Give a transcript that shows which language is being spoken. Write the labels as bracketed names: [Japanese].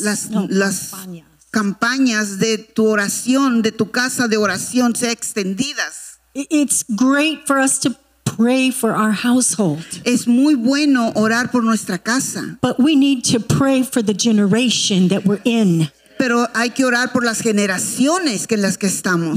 [Spanish] las campañas de tu oración, de tu casa de oración sean extendidas. [English] It's great for us to pray for our household. [Spanish] Es muy bueno orar por nuestra casa. [English] But we need to pray for the generation that we're in. [Spanish] Pero hay que orar por las generaciones en las que estamos.